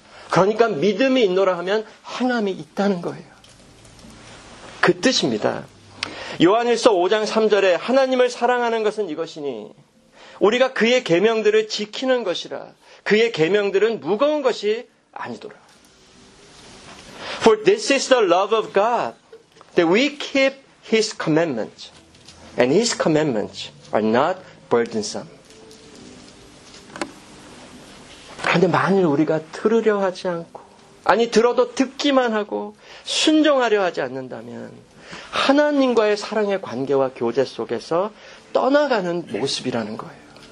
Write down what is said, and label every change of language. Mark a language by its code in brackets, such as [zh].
[ko] 그러니까 믿음이 있노라 하면 행함이 있다는 거예요. 그 뜻입니다. 요한일서 5장 3절에 하나님을 사랑하는 것은 이것이니 우리가 그의 계명들을 지키는 것이라 그의 계명들은 무거운 것이 아니더라. [en] For this is the love of God, that we keep His commandments, and His commandments are not burdensome. [ko] 그런데 만일 우리가 들으려 하지 않고, 아니 들어도 듣기만 하고 순종하려 하지 않는다면 하나님과의 사랑의 관계와 교제 속에서 떠나가는 모습이라는 거예요.